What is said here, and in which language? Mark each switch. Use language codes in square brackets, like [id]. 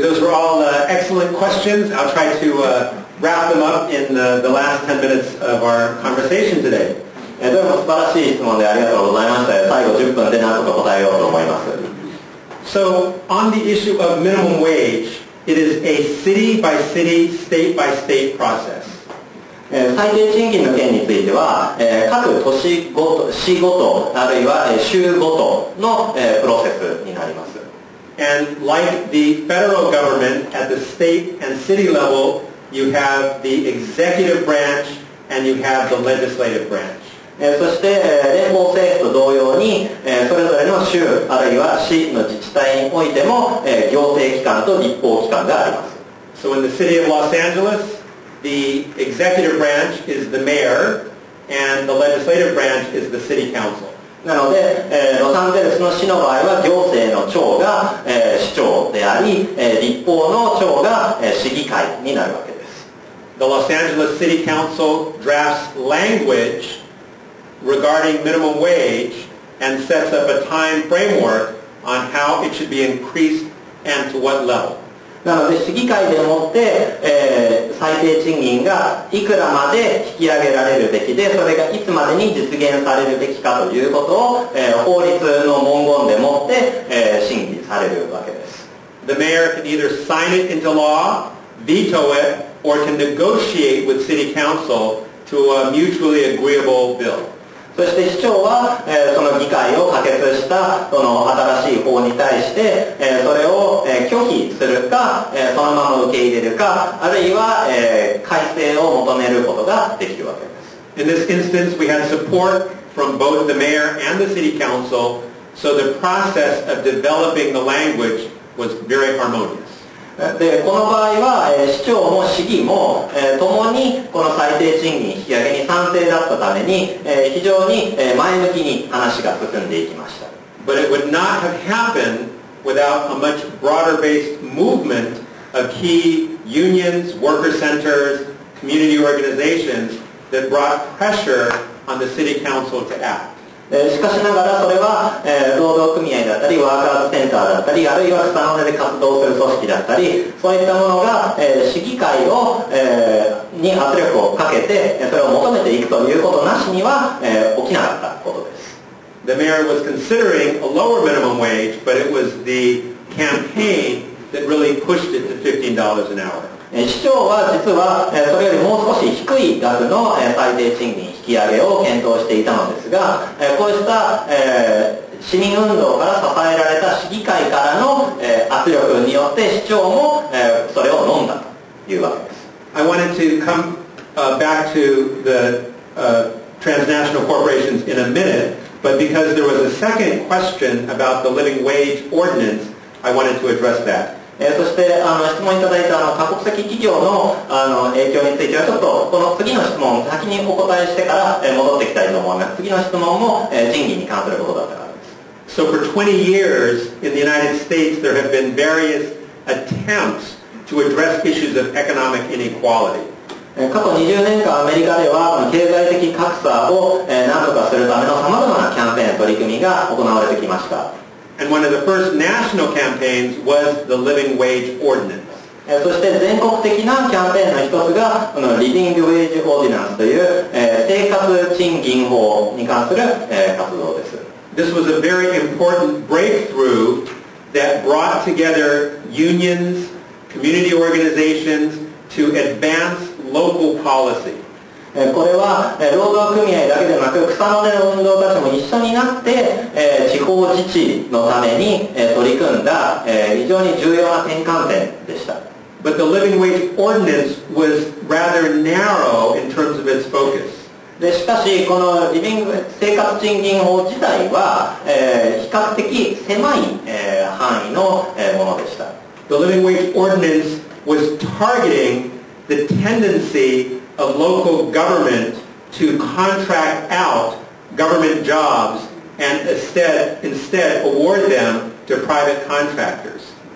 [en] Those were all excellent questions. I'll try to wrap them up in the last 10 minutes of our conversation today. [ja] どうも素晴らしい質問でありがとうございました。最後10分で何とか答えようと思います。 [en] So, on the issue of minimum wage, it is a city-by-city, state-by-state process. [ja] 最低賃金の件については、各都市ごと、市ごと、あるいは州ごとのプロセスになります。 [en] And like the federal government, at the state and city level, you have the executive branch and you have the legislative branch. [ja] そして連邦政府と同様に、それぞれの州あるいは市の自治体においても、行政機関と立法機関があります。 [en] So in the city of Los Angeles, the executive branch is the mayor and the legislative branch is the city council. [ja] なので、ロサンゼルスの市の場合は行政の長が、市長であり、立法の長が、市議会になるわけです。 [en] The Los Angeles City Council drafts language regarding minimum wage and sets up a time framework on how it should be increased and to what level. [ja] なので市議会でもって、最低賃金がいくらまで引き上げられるべきで、それがいつまでに実現されるべきかということを、法律の文言でもって、審議されるわけです。 [en] The mayor can either sign it into law, veto it, or can negotiate with city council to a mutually agreeable bill. [ja] そして市長は、その議会を可決したその新しい法に対して、それを、拒否するか、そのまま受け入れるか、あるいは、改正を求めることができるわけです。 [en] In this instance, we had support from both the mayor and the city council, so the process of developing the language was very harmonious. [ja] でこの場合は、市長も市議も、共にこの最低賃金引き上げに賛成だったために、非常に、前向きに話が進んでいきました。 [en] But it would not have happened without a much broader based movement of key unions, worker centers, community organizations that brought pressure on the city council to act. [ja] しかしながらそれは、労働組合だったりワーカーズセンターだったりあるいは草の根で活動する組織だったりそういったものが、市議会を、に圧力をかけてそれを求めていくということなしには、起きなかったことです。 [en] The mayor was considering a lower minimum wage, but it was the campaign that really pushed it to $15 an hour. [ja] 市長は実はそれよりもう少し低い額の最低賃金引き上げを検討していたのですがこうした市民運動から支えられた市議会からの圧力によって市長もそれを飲んだというわけです。 [en] I wanted to come back to the transnational corporations in a minute, but because there was a second question about the living wage ordinance, I wanted to address that. [ja] そして質問いただいた多国籍企業 の影響についてはちょっとこの次の質問先にお答えしてから戻ってきたいと思います次の質問も賃金に関することだったからです [en] So for 20 years in the United States there have been various attempts to address issues of economic inequality [ja] 過去20年間アメリカでは経済的格差を何とかするための様々なキャンペーン取り組みが行われてきました [en] And one of the first national campaigns was the Living Wage Ordinance. [ja] そして全国的なキャンペーンの一つが、この Living Wage Ordinance という、生活賃金法に関する、活動です。 [en] This was a very important breakthrough that brought together unions, community organizations to advance local policy. [ja] これは労働組合だけでなく草の根の運動たちも一緒になって地方自治のために取り組んだ非常に重要な転換点でした。 [en] But the living wage ordinance was rather narrow in terms of its focus. [ja] でしかしこの生活賃金法自体は比較的狭い範囲のものでした。 [en] The living wage ordinance was targeting the tendencyA local government to contract out government jobs and instead award them to private contractors.